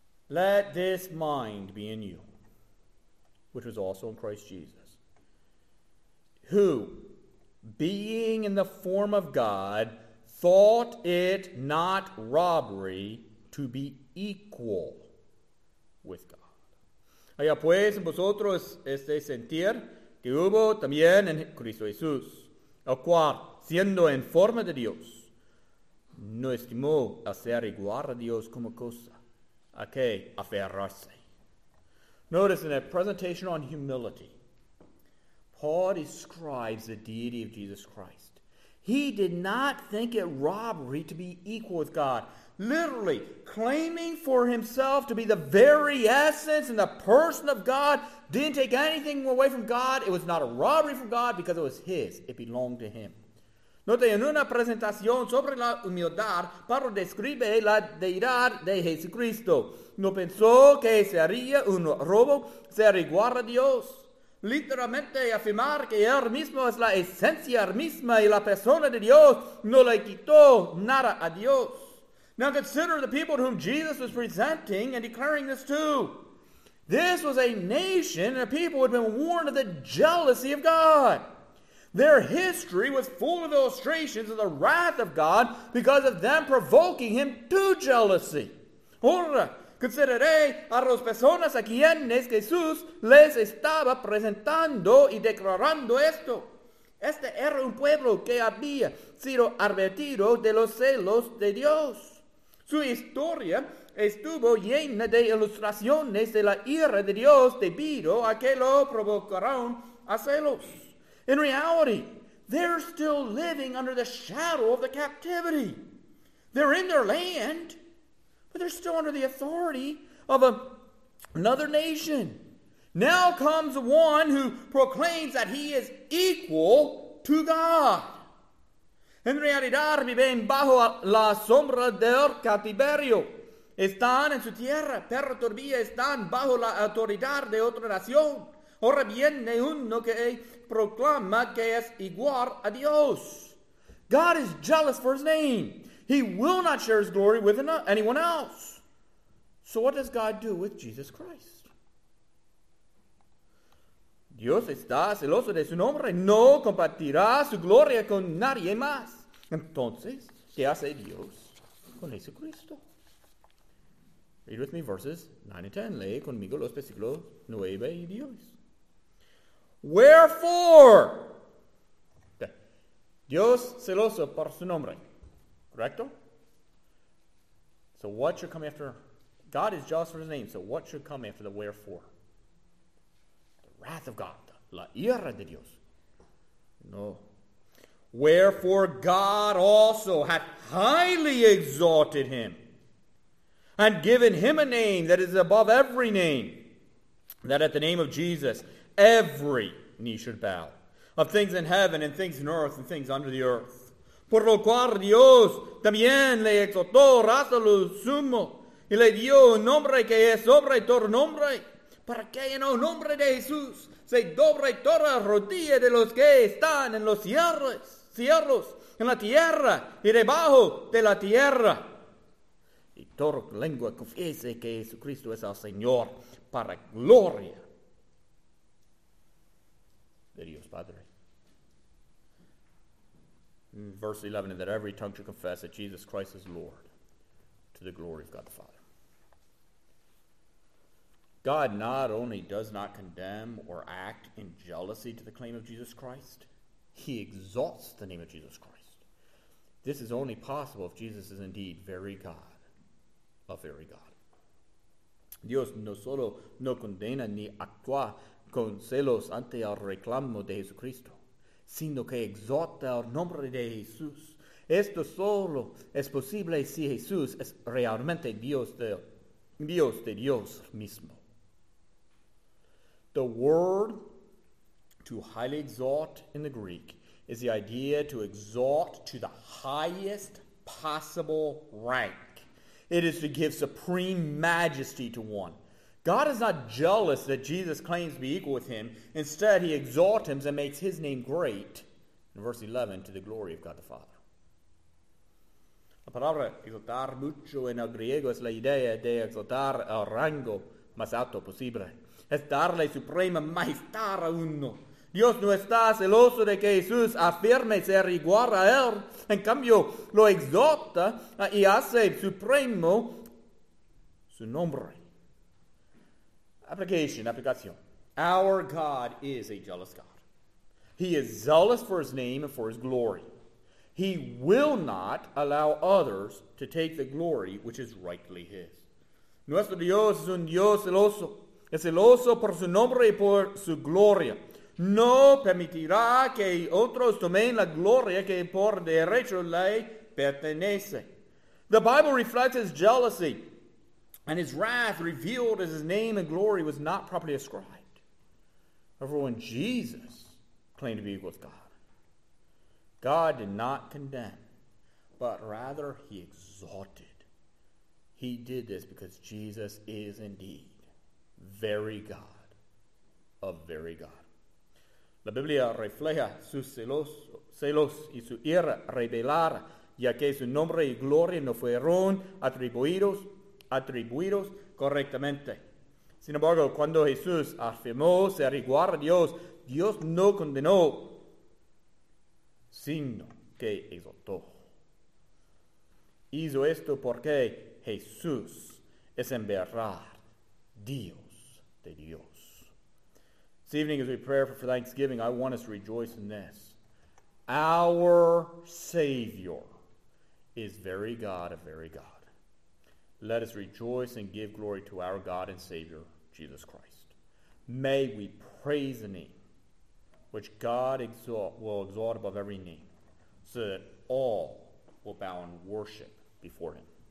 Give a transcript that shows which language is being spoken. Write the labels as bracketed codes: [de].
[en] Let this mind be in you, which was also in Christ Jesus, who, being in the form of God, thought it not robbery to be equal with God. [es] Haya pues en vosotros este sentir que hubo también en Cristo Jesús, el cual, siendo en forma de Dios, no estimó hacer igual a Dios como cosa a que aferrarse. [en] Notice in a presentation on humility, Paul describes the deity of Jesus Christ. He did not think it robbery to be equal with God. Literally, claiming for himself to be the very essence and the person of God, didn't take anything away from God. It was not a robbery from God because it was his. It belonged to him. [es] Note en una presentación sobre la humildad, Pablo describe la deidad de Jesucristo. No pensó que sería un robo ser igual a Dios. Literalmente afirmar que él mismo es la esencia misma y la persona de Dios no le quitó nada a Dios. [en] Now consider the people to whom Jesus was presenting and declaring this to. This was a nation and a people who had been warned of the jealousy of God. Their history was full of illustrations of the wrath of God because of them provoking him to jealousy. [es] Ahora, consideré a las personas a quienes Jesús les estaba presentando y declarando esto. Este era un pueblo que había sido advertido de los celos de Dios. Su historia estuvo llena de ilustraciones de la ira de Dios debido a que lo provocaron a celos. [en] In reality, they're still living under the shadow of the captivity. They're in their land, but they're still under the authority of another nation. Now comes one who proclaims that he is equal to God. [es] En realidad viven bajo la sombra del cautiverio. Están en su tierra, pero todavía están bajo la autoridad de otra nación. Ahora viene uno que proclama que es igual a Dios. [en] God is jealous for his name. He will not share his glory with anyone else. So what does God do with Jesus Christ? [es] Dios está celoso de su nombre. No compartirá su gloria con nadie más. Entonces, ¿qué hace Dios con Jesucristo? [en] Read with me verses 9 and 10. [es] Lee conmigo los versículos 9 y 10. [en] Wherefore? [es] Dios celoso por su nombre. Correcto? [en] So what should come after? God is jealous for his name, so what should come after the wherefore? The wrath of God. [es] La ira de Dios. [en] No. Wherefore God also hath highly exalted him and given him a name that is above every name, that at the name of Jesus every knee should bow, of things in heaven and things in earth and things under the earth. [es] Por lo cual Dios también le exaltó hasta lo sumo y le dio un nombre que es sobre todo nombre, para que en el nombre de Jesús se doble toda rodilla de los que están en los cielos, en la tierra y debajo de la tierra. Y toda lengua confiese que Jesucristo es el Señor para gloria de Dios Padre. [en] Verse 11, and that every tongue should confess that Jesus Christ is Lord, to the glory of God the Father. God not only does not condemn or act in jealousy to the claim of Jesus Christ, he exalts the name of Jesus Christ. This is only possible if Jesus is indeed very God, a very God. [es] Dios no solo no condena ni actúa con celos ante el reclamo de Jesucristo. sino que exhorta al nombre de Jesús. Esto solo es posible si Jesús es realmente Dios de Dios mismo. [en] The word to highly exalt in the Greek is the idea to exalt to the highest possible rank. It is to give supreme majesty to one. God is not jealous that Jesus claims to be equal with him. Instead, he exalts him and makes his name great, in verse 11, to the glory of God the Father. [es] La palabra exaltar mucho en el griego es la idea de exaltar al rango más alto posible. Es darle suprema majestad a uno. Dios no está celoso de que Jesús afirme ser igual a él. En cambio, lo exalta y hace supremo su nombre. [en] Aplicación. Our God is a jealous God. He is zealous for his name and for his glory. He will not allow others to take the glory which is rightly his. [es] Nuestro Dios es un Dios celoso. Es celoso por su nombre y por su gloria. No permitirá que otros tomen la gloria que por derecho le pertenece. [en] The Bible reflects his jealousy and his wrath revealed as his name and glory was not properly ascribed. However, when Jesus claimed to be equal with God, God did not condemn, but rather he exalted. He did this because Jesus is indeed very God of very God. [es] La Biblia refleja su celos y su ira revelada, ya que su nombre y gloria no fueron atribuidos correctamente. Sin embargo, cuando Jesús afirmó ser igual a Dios, Dios no condenó, sino que exaltó. Hizo esto porque Jesús es en verdad Dios de Dios. [en] This evening, as we pray for Thanksgiving, I want us to rejoice in this. Our Savior is very God of very God. Let us rejoice and give glory to our God and Savior, Jesus Christ. May we praise the name which God will exalt above every name, so that all will bow in worship before him.